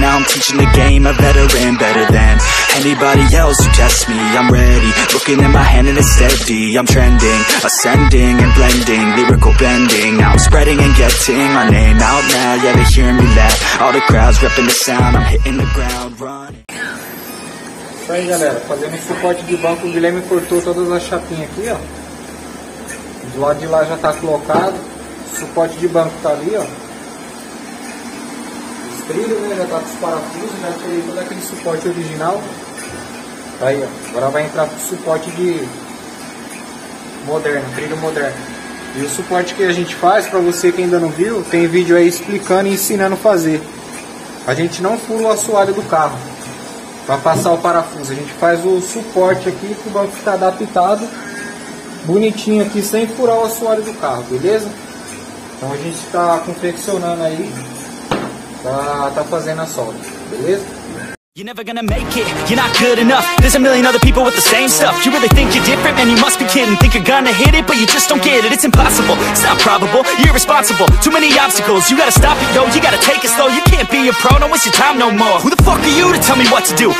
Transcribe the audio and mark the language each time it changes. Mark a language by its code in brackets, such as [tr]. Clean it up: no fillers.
[en] Now I'm teaching the game, a veteran, better than anybody else who tests me. I'm ready, looking at my hand and it's steady. I'm trending, ascending and blending. Lyrical bending, now I'm spreading and getting my name out now, yeah, they hearing me laugh. All the crowds repping the sound, I'm hitting the ground running. [pt] Isso aí, galera, fazendo suporte de banco. O Guilherme cortou todas as chapinhas aqui, ó. Do lado de lá já tá colocado. Suporte de banco tá ali, ó. Os trilhos, né, já tá com os parafusos. Já tirei todo aquele suporte original. Tá aí, ó. Agora vai entrar pro suporte de moderno, trilho moderno. E o suporte que a gente faz, pra você que ainda não viu, tem vídeo aí explicando e ensinando a fazer. A gente não fura o assoalho do carro pra passar o parafuso. A gente faz o suporte aqui pro banco ficar adaptado, bonitinho aqui, sem furar o assoalho do carro, beleza? Então a gente tá confeccionando aí, tá fazendo a solda, beleza? [en] You're never gonna make it, you're not good enough. There's a million other people with the same stuff. You really think you're different, man, you must be kidding. Think you're gonna hit it, but you just don't get it. It's impossible, it's not probable, you're irresponsible. Too many obstacles, you gotta stop it, yo. You gotta take it slow, you can't be a pro. Don't waste your time no more. Who the fuck are you to tell me what to do?